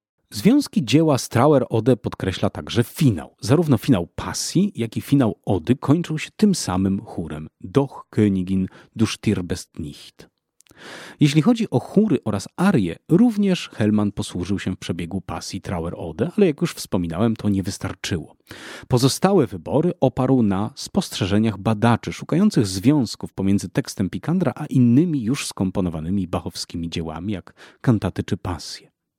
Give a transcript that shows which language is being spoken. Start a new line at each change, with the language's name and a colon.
Polish: Związki dzieła Strauer-Ode podkreśla także finał. Zarówno finał Pasji, jak i finał Ody kończą się tym samym chórem.
German: Doch Königin, du stirbest nicht.
Polish: Jeśli chodzi o chóry oraz arie, również Hellmann posłużył się w przebiegu Pasji Trauer-Ode, ale jak już wspominałem, to nie wystarczyło. Pozostałe wybory oparł na spostrzeżeniach badaczy, szukających związków pomiędzy tekstem Picandra a innymi już skomponowanymi bachowskimi dziełami, jak kantaty czy pasje.